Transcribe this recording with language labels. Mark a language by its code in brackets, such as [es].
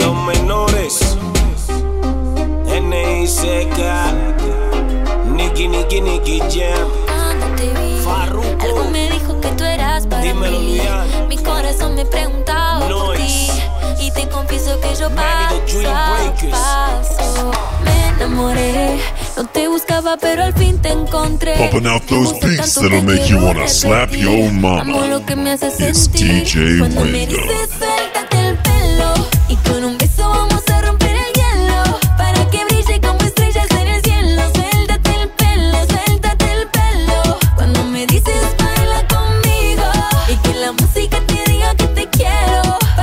[es] Los menores, N-I-C-K, Nicky, Nicky, Nicky Jam. Cuando te vi, Farruko, algo me dijo que tú eras para dímelo, mí. Mi corazón me preguntaba Noise por ti. Y te confieso que yo paso, paso. Me enamoré, no te buscaba pero al fin te encontré. [en] Popping out those beats that'll make you wanna slap your mama. [es] Amo lo que me hace sentir. [en] It's DJ Wiggum. [es] Cuando me dices suéltate el pelo y con un beso vamos a romper el hielo para que brille como estrellas en el cielo. Suéltate el pelo, suéltate el pelo. Cuando me dices baila conmigo y que la música te diga que te quiero.